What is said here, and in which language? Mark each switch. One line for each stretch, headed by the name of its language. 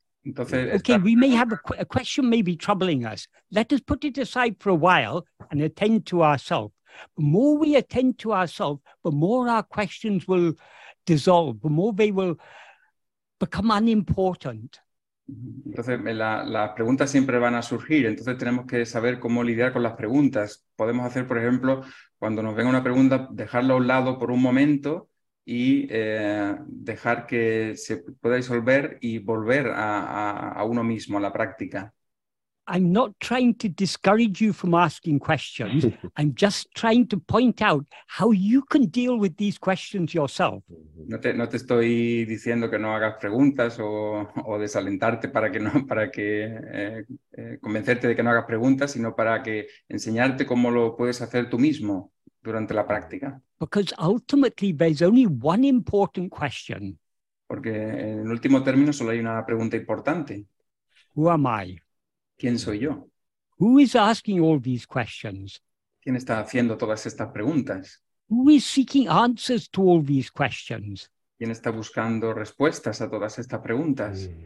Spanish: Entonces,
English: okay, we may have a question may be troubling us. Let us put it aside for a while and attend to ourselves. The more we attend to ourselves, the more our questions will dissolve, the more they will become unimportant.
Spanish: Entonces las preguntas siempre van a surgir, entonces tenemos que saber cómo lidiar con las preguntas. Podemos hacer, por ejemplo, cuando nos venga una pregunta, dejarla a un lado por un momento y dejar que se pueda disolver y volver a uno mismo, a la práctica.
English: I'm not trying to discourage you from asking questions. I'm just trying to point out how you can deal with these questions yourself.
Spanish: No te estoy diciendo que no hagas preguntas o desalentarte convencerte de que no hagas preguntas, sino para que enseñarte cómo lo puedes hacer tú mismo durante la práctica.
English: Because ultimately there's only one important question.
Spanish: Porque en último término solo hay una pregunta importante.
English: Who am I?
Spanish: ¿Quién soy yo?
English: Who is asking all these questions?
Spanish: ¿Quién está haciendo todas estas preguntas?
English: Who is seeking answers to all these questions?
Spanish: ¿Quién está buscando respuestas a todas estas preguntas?